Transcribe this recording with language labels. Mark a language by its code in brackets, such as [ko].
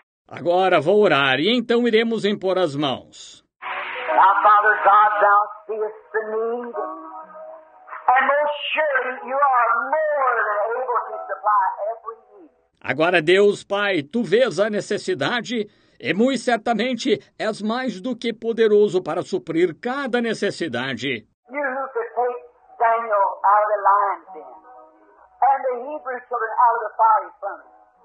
[pt] Agora vou orar e então iremos impor as mãos. [en] Now, Father God, thou seest the need, and most surely you are more than able to supply every need. [pt] Agora, Deus Pai, tu vês a necessidade, e muito certamente és mais do que poderoso para suprir cada necessidade. [en] You who could take Daniel out of the lion's den, and the Hebrew children out of the fiery furnace.